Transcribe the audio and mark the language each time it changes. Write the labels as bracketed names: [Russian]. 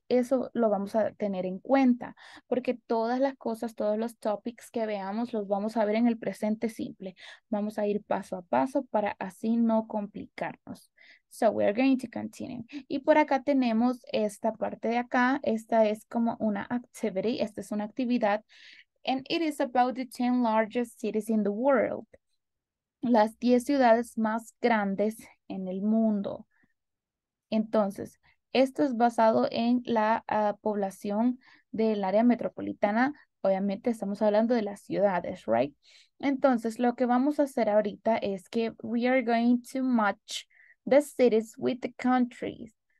[Spanish] Eso lo vamos a tener en cuenta porque todas las cosas, todos los topics que veamos los vamos a ver en el presente simple. Vamos a ir paso a paso para así no complicarnos. [English] So we're going to continue. [Spanish] Y por acá tenemos esta parte de acá. Esta es como una activity. Esta es una actividad. [English] And it is about the 10 largest cities in the world. [Spanish] Las 10 ciudades más grandes en el mundo. Entonces, esto es basado en la población del área metropolitana Obviamente estamos hablando de las ciudades, right? Entonces, lo que vamos a hacer ahorita es que [English] we are going to match the cities with the countries.